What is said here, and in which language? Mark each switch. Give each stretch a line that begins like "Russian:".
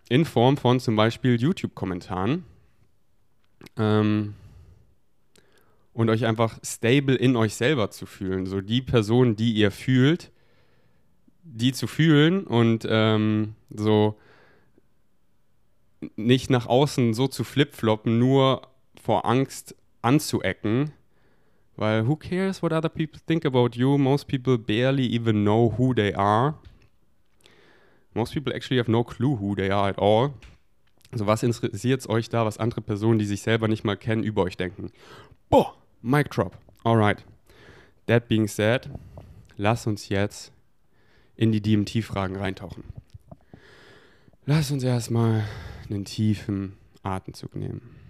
German: In Form von zum Beispiel YouTube-Kommentaren. Und euch einfach stable in euch selber zu fühlen. So die Person, die ihr fühlt, die zu fühlen und so nicht nach außen so zu flipfloppen, nur vor Angst anzuecken.
English: Weil who cares what other people think about you? Most people barely even know who they are. Most people actually have no clue who they are at all.
German: Also was interessiert es euch da, was andere Personen, die sich selber nicht mal kennen, über euch denken? Boah, Mic drop. Alright.
English: That being said,
German: lass uns jetzt in die DMT-Fragen reintauchen. Lass uns erstmal einen tiefen Atemzug nehmen.